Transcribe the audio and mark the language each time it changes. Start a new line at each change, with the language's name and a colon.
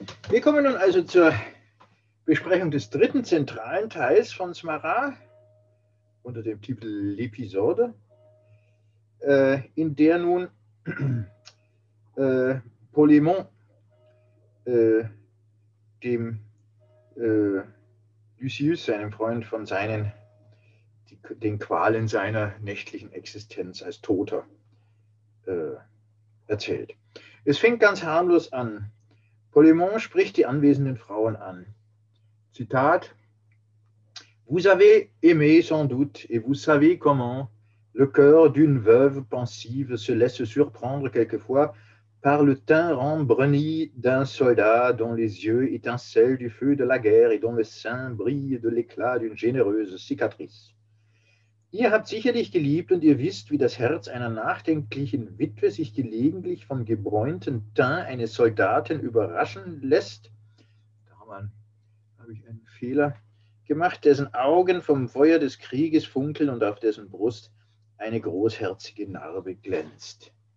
German: Wir kommen nun also zur Besprechung des dritten zentralen Teils von Smarat unter dem Titel L'Episode, in der nun Polymon dem Lysieux, seinem Freund, von seinen den Qualen seiner nächtlichen Existenz als Toter erzählt. Es fängt ganz harmlos an. Polymon spricht die anwesenden Frauen an.
French: Zitat: Vous avez aimé sans doute et vous savez comment le cœur d'une veuve pensive se laisse surprendre quelquefois par le teint rembruni d'un soldat dont les yeux étincellent du feu de la guerre et dont le sein brille de l'éclat d'une généreuse cicatrice.
German: Ihr habt sicherlich geliebt und ihr wisst, wie das Herz einer nachdenklichen Witwe sich gelegentlich vom gebräunten Teint eines Soldaten überraschen lässt. Da habe ich einen Fehler gemacht, dessen Augen vom Feuer des Krieges funkeln und auf dessen Brust eine großherzige Narbe glänzt.